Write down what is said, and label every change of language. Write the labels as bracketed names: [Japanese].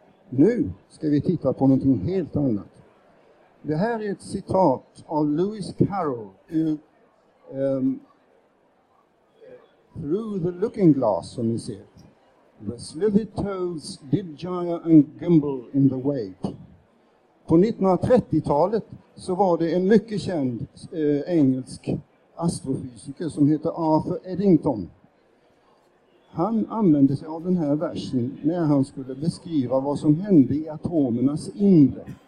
[Swedish] Nu ska vi titta på någonting helt annat. Det här är ett citat av Lewis Carroll ur Through the Looking Glass, som ni ser. [English] The slithered toads did gyre and gimble in the wake. [Swedish] På 1930-talet så var det en mycket känd engelsk astrofysiker som heter Arthur Eddington. Han använde sig av den här versen när han skulle beskriva vad som hände i atomernas inre.